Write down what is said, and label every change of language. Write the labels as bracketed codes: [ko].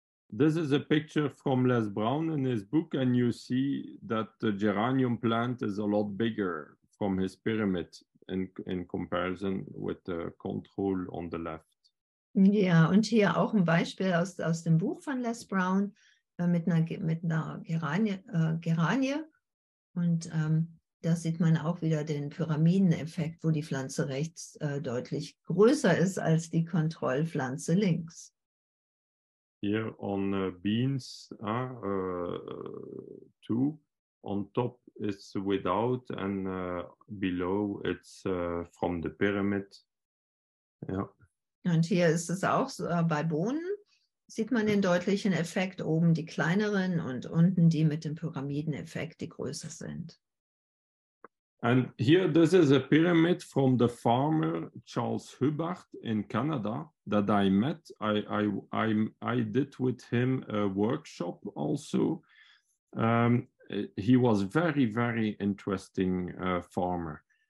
[en] This is a picture from Les Brown in his book, and you see that the geranium plant is a lot bigger from his pyramid in comparison with the control on the left. [de] Ja, und hier auch ein Beispiel aus dem Buch von Les Brown mit einer Geranie. Und da sieht man auch wieder den Pyramideneffekt, wo die Pflanze rechts deutlich größer ist als die Kontrollpflanze links. [en] Here on beans, two on top is without, and below it's from the pyramid. [de] Ja. Und hier ist es auch so, bei Bohnen sieht man den deutlichen Effekt, oben die kleineren und unten die mit dem Pyramideneffekt, die größer sind. [en] And here, this is a pyramid from the farmer Charles Hubbard in Canada that I met. I did with him a workshop also. He was very, very interesting farmer.